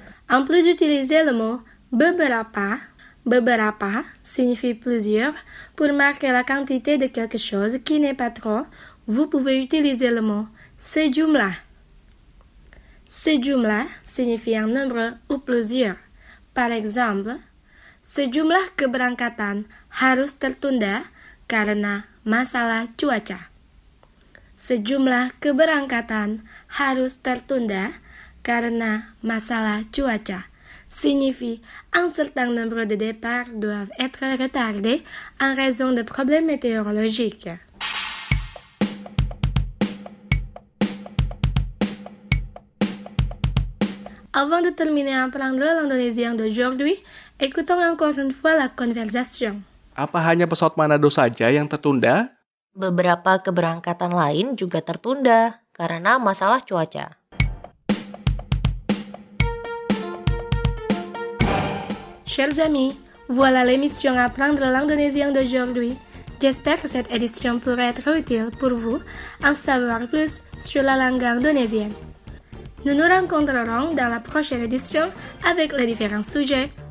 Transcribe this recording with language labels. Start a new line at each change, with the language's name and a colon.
French: En plus d'utiliser le mot beberapa, beberapa signifie plusieurs pour marquer la quantité de quelque chose qui n'est pas trop, vous pouvez utiliser le mot sejumlah. Sejumlah signifie un nombre ou plusieurs.
Indonesian: Par exemple, sejumlah keberangkatan harus tertunda karena masalah cuaca. Sejumlah keberangkatan harus tertunda karena masalah cuaca.
French: Signifie un certain nombre de départs doivent être retardés en raison de problèmes météorologiques. Avant de terminer à apprendre l'indonésien d'aujourd'hui, écoutons encore une fois la conversation.
Indonesian: Apa hanya pesawat Manado saja yang tertunda? Beberapa keberangkatan lain juga tertunda karena masalah cuaca.
French: Chers amis, voilà l'émission Apprendre l'indonésien d'aujourd'hui. J'espère que cette édition pourrait être utile pour vous en savoir plus sur la langue indonésienne. Nous nous rencontrerons dans la prochaine édition avec les différents sujets.